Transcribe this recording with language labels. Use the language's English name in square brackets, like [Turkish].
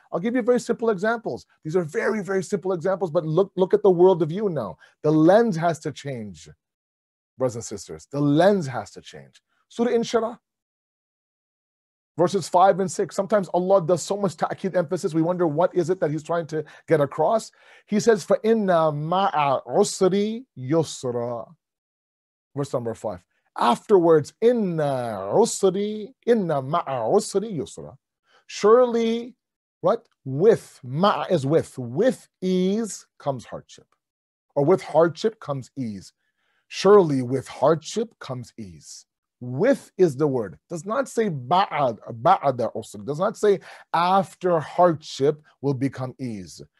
[English] I'll give you very simple examples. These are very, very simple examples. But look at the world of you now. The lens has to change, brothers and sisters. The lens has to change. Surah Inshirah. Verses 5 and 6. Sometimes Allah does so much ta'kid emphasis, we wonder what is it that he's trying to get across. He says, [Arabic] فَإِنَّ مَعَ عُسْرِ يُسْرًا. [English] Verse number 5. Afterwards, [Arabic] إِنَّ مَعَ عُسْرِ يُسْرًا. [English] Surely, what? With, ma'a is with. With ease comes hardship. Or with hardship comes ease. Surely with hardship comes ease. With is the word. Does not say ba'ad usr. Does not say after hardship will become ease.